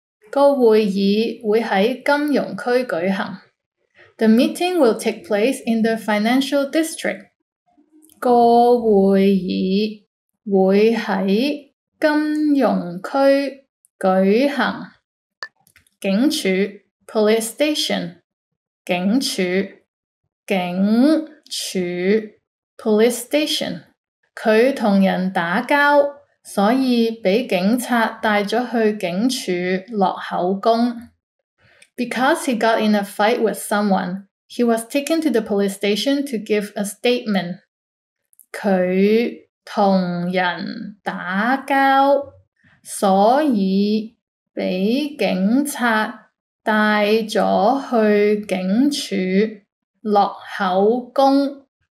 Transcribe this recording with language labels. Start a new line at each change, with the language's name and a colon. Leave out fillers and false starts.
Cantonese: 个会议会喺金融区举行。
English: The meeting will take place in the financial district.
Cantonese: 个会议会喺金融区举行。
English: 警署 police station,
Cantonese: 警署警署
English: police station。
Cantonese: 佢同人打交，所以被警察带咗去警署落口供。
English: Because he got in a fight with someone, he was taken to the police station to give a statement.
Cantonese: 佢同人打交，所以被警察带咗去警署落口供。